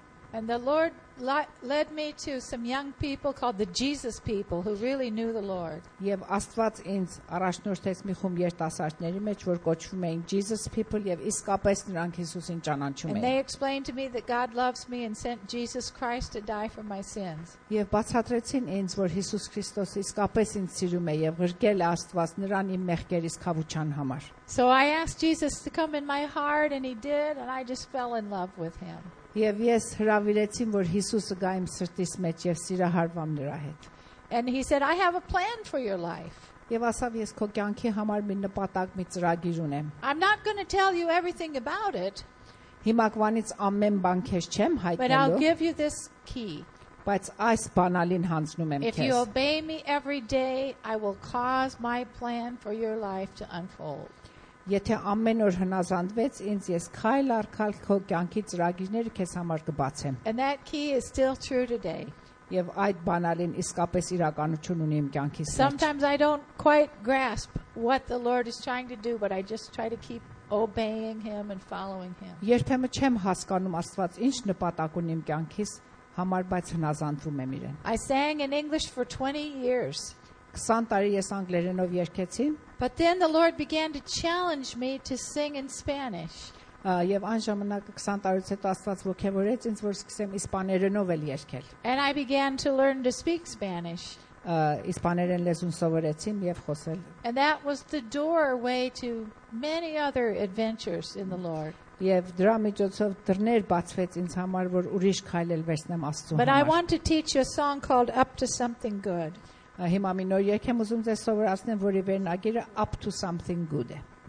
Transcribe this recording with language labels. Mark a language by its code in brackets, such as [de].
[en] And the Lord led me to some young people called the Jesus people who really knew the Lord. [hy] Եվ Աստված ինձ առաջնորդեց մի խումբ երիտասարդների մեջ, որ կոչվում էին Jesus people, եւ իսկապես նրանք Հիսուսին ճանաչում էին. [en] And they explained to me that God loves me and sent Jesus Christ to die for my sins. [hy] Եվ բացատրեցին ինձ, որ Հիսուս Քրիստոս իսկապես ինձ սիրում է եւ ղրկել Աստված նրան իմ մեղքերի սկավության համար. [en] So I asked Jesus to come in my heart and he did, and I just fell in love with him. [hy] Եվ ես հրավիրեցին, որ Հիսուսը գա իմ սրտիս մեջ եւ սիրահարվամ նրա հետ։ [en] And he said, I have a plan for your life. [hy] Եվ ասավ, ես քո կյանքի համար մի նպատակ, մի ծրագիր ունեմ։ [en] I'm not going to tell you everything about it. [hy] Հիմակվանից ամեն բան քեզ չեմ հայտնելու։ [en] But I'll give you this key. [hy] Բայց այս բանալին հանձնում եմ քեզ։ [en] If you obey me every day, I will cause my plan for your life to unfold. [hy] Եթե ամեն օր հնազանդվես ինձ, ես քայլ առ քայլ քո կյանքի ծրագիրները քեզ համար կբացեմ։ [en] And that key is still true today. [hy] Եվ այդ բանալին իսկապես իրականություն ունի իմ կյանքի սրտի։ [en] Sometimes I don't quite grasp what the Lord is trying to do, but I just try to keep obeying him and following him. [hy] Երբեմն չեմ հասկանում Աստված ինչ նպատակ ունի իմ կյանքիս համար, բայց հնազանդվում եմ իրեն։ [en] I sang in English for 20 years. [hy] 20 տարի ես անգլերենով երգեցի։ [en] But then the Lord began to challenge me to sing in Spanish. [hy] Եվ այն ժամանակ 20 տարուց հետո Աստված ոգևորեց ինձ, որ սկսեմ իսպաներենով էլ երգել։ [en] And I began to learn to speak Spanish. [hy] իսպաներեն լեզուն սովորեցին եւ խոսել. [en] And that was the doorway to many other adventures in the Lord. [hy] Եվ դրա միջոցով դռներ բացվեց ինձ համար, որ ուրիշ քայլել վերցնեմ Աստծո համար. [en] But I want to teach you a song called Up to Something Good. [hy] Հիմա մի նոր երգ եմ ուզում ձեզ սովորացնել, որի վերնագիրը Up to Something Good է.